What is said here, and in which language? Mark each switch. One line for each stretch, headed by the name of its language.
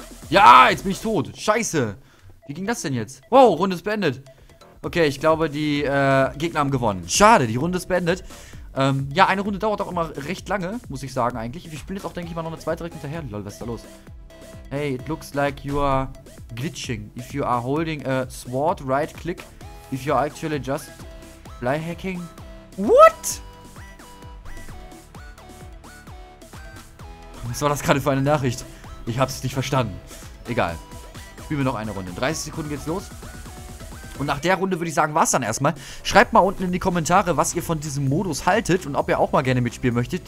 German: Ja, jetzt bin ich tot. Scheiße. Wie ging das denn jetzt? Wow, Runde ist beendet. Okay, ich glaube, die Gegner haben gewonnen. Schade, die Runde ist beendet. Ja, eine Runde dauert auch immer recht lange, muss ich sagen eigentlich. Ich spiele jetzt auch, denke ich, mal noch eine zweite direkt hinterher. Lol, was ist da los?
English: Hey, it looks like you are glitching. If you are holding a sword, right click. If you are actually just fly hacking. What?
German: Was war das gerade für eine Nachricht? Ich hab's nicht verstanden. Egal. Spielen wir noch eine Runde. In 30 Sekunden geht's los. Und nach der Runde würde ich sagen, war's dann erstmal. Schreibt mal unten in die Kommentare, was ihr von diesem Modus haltet und ob ihr auch mal gerne mitspielen möchtet.